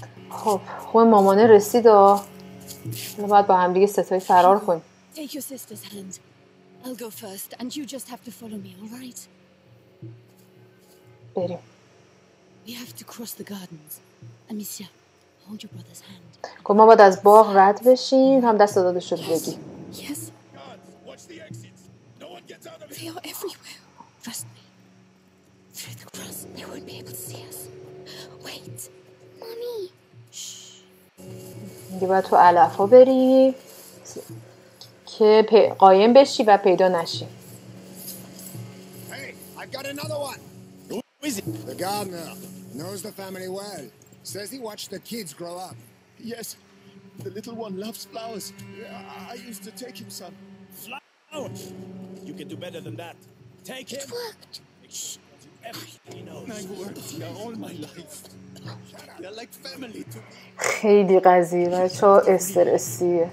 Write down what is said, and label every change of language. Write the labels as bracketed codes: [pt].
[fa] خب خوب مامانه رسید و ما باید با هم دیگه ستای فرار کنیم. [en] Take your sister's hand. I'll go first and you just have to follow me, all right? [fa] بریم. [en] We have to cross the gardens. Amicia, hold your brother's hand. [fa] خب ما باید از باغ رد بشیم، هم دست داده شد بگی. [en] Yes. They are everywhere. Trust me. Through the grass, they won't be able to see us. Wait. Mommy. Shh. [fa] دیگه باید تو علف ها بری که قایم بشی و پیدا نشی. [en] Hey, I've got another one. Who is it? The gardener knows the family well. Says he watched the kids grow up. Yes, the little one loves flowers. I used to take him some. Flowers? You can do better than that. Take him. It worked. Everything he knows. My word. All my life. They're like family to me. [fa] خیلی قضیه بچه ها استرسیه.